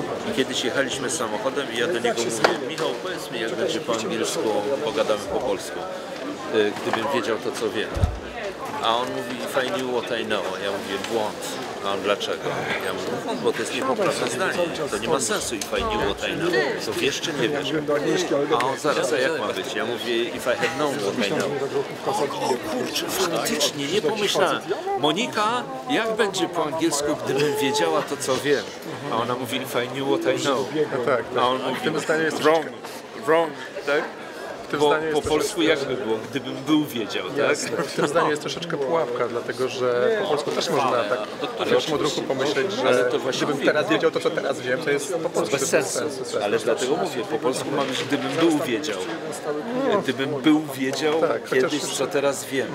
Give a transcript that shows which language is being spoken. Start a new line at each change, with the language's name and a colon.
Polish: I kiedyś jechaliśmy samochodem i ja do niego mówię, Michał, powiedz mi, jak będzie po angielsku, pogadamy po polsku, gdybym wiedział to, co wiem. A on mówi,
English: if I knew what I know,
Polish: ja mówię, błąd. A on dlaczego? Ja mówię, bo to jest niepoprawne zdanie, to nie ma sensu,
English: if I knew what I know,
Polish: to wiesz czy nie wiesz. A on zaraz, a jak ma być? Ja mówię,
English: if I had known what I know.
Polish: O kurczę, faktycznie, nie pomyślałem. Monika, jak będzie po angielsku, gdybym wiedziała to, co wiem? A ona mówi,
English: if I knew what I know.
Polish: A on mówi,
English: wrong,
Polish: tak? Bo po polsku jakby było, gdybym był wiedział, jest, tak? W tym zdaniu jest troszeczkę pułapka, dlatego że nie, po polsku też można tak w pierwszym odruchu pomyśleć, że to gdybym mówię, teraz wiedział to, co teraz wiem, to jest po polsku bez sensu. Dlatego mówię, po polsku mam, gdybym był wiedział. Gdybym był wiedział kiedyś, co teraz wiem.